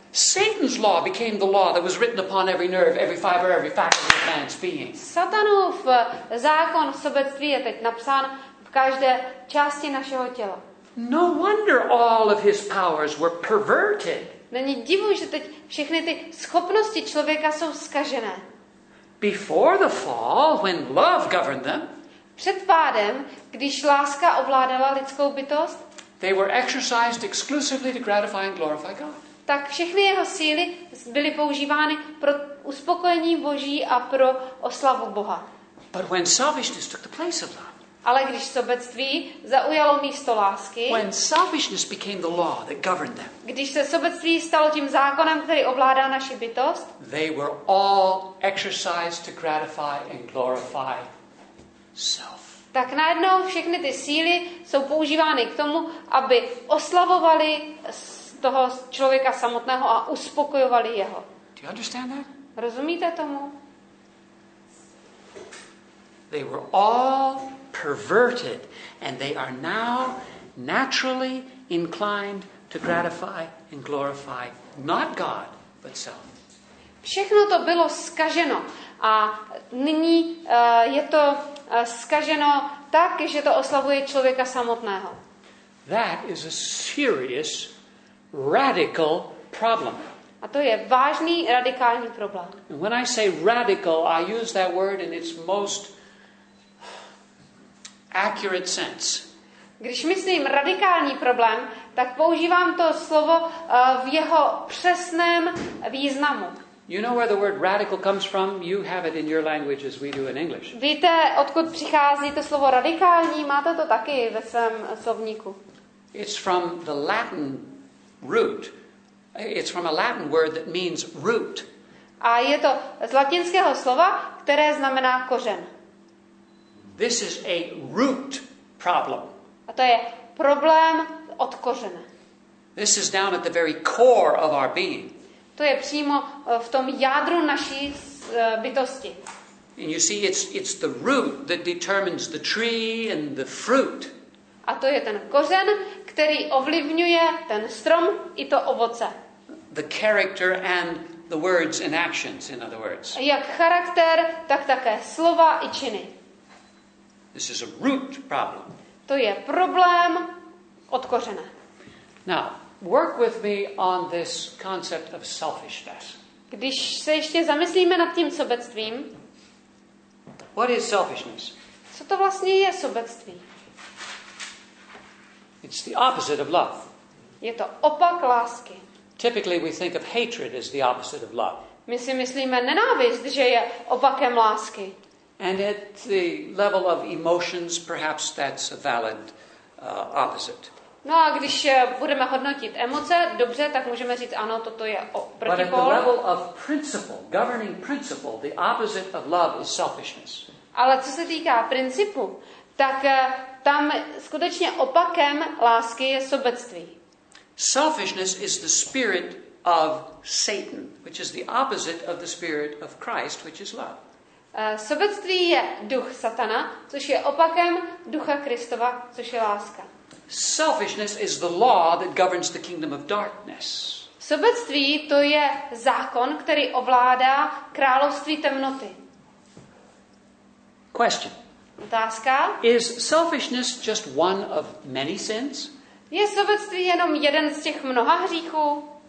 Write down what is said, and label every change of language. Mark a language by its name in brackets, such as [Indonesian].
[English] Satan's law became the law that was written upon every nerve, every fiber, every faculty of man's being. [Czech] Satanův zákon sobectví je teď napsán v každé části našeho těla. [English] No wonder all of his powers were perverted. [Czech] Není divu, že teď všechny ty schopnosti člověka jsou zkažené. [English] Before the fall, when love governed them, [Czech] před pádem, když láska ovládala lidskou bytost, [English] they were exercised exclusively to gratify and glorify God. [Czech] Tak všechny jeho síly byly používány pro uspokojení Boží a pro oslavu Boha. [English] But when selfishness took the place of love. [Czech] Ale když sobectví zaujalo místo lásky. [English] When selfishness became the law that governed them. [Czech] Když se sobectví stalo tím zákonem, který ovládá naši bytost. [English] They were all exercised to gratify and glorify self. [Czech] Tak najednou všechny ty síly jsou používány k tomu, aby oslavovali toho člověka samotného a uspokojovali jeho. [English] Do you understand that? [Czech] Rozumíte tomu? [English] They were all perverted and they are now naturally inclined to gratify and glorify not God, but self. [Czech] Všechno to bylo zkaženo a nyní je to zkaženo tak, že to oslavuje člověka samotného. [English] That is a serious radical problem. [Czech] A to je vážný radikální problém. [English] And when I say radical, I use that word in its most accurate sense. [Czech] Když myslím radikální problém, tak používám to slovo v jeho přesném významu. [English] You know where the word radical comes from? You have it in your language as we do in English. [Czech] Víte, odkud přichází to slovo radikální? Máte to taky ve svém slovníku. [English] It's from the Latin root. It's from a Latin word that means root. [Czech] A je to z latinského slova, které znamená kořen. [English] This is a root problem. [Czech] A to je problém od kořene. [English] This is down at the very core of our being. [Czech] To je přímo v tom jádru naší bytosti. [English] And you see, it's the root that determines the tree and the fruit. [Czech] A to je ten kořen, který ovlivňuje ten strom i to ovoce. [English] The character and the words and actions, in other words. [Czech] Jak charakter, tak také slova i činy. [English] This is a root problem. [Czech] To je problém od kořene. [English] Now, work with me on this concept of selfishness. [Czech] Když se ještě zamyslíme nad tím sobectvím. [English] What is selfishness? [Czech] Co to vlastně je sobectví? [English] It's the opposite of love. [Czech] Je to opak lásky. [English] Typically we think of hatred as the opposite of love. [Czech] My si myslíme nenávist, že je opakem lásky. [English] And at the level of emotions, perhaps that's a valid opposite. [Czech] No a když budeme hodnotit emoce, dobře, tak můžeme říct ano, toto je protipol. [English] But at the level of principle, governing principle, the opposite of love is selfishness. [Czech] Ale co se týká principu, tak tam skutečně opakem lásky je sobectví. [English] Selfishness is the spirit of Satan, which is the opposite of the spirit of Christ, which is love. [Czech] Sobectví je duch Satana, což je opakem ducha Kristova, což je láska. [English] Selfishness is the law that governs the kingdom of darkness. [Czech] Sobectví to je zákon, který ovládá království temnoty. [English] Question. [Czech] Otázka. [English] Is selfishness just one of many sins? [Czech] Je sobectví jenom jeden z těch mnoha hříchů?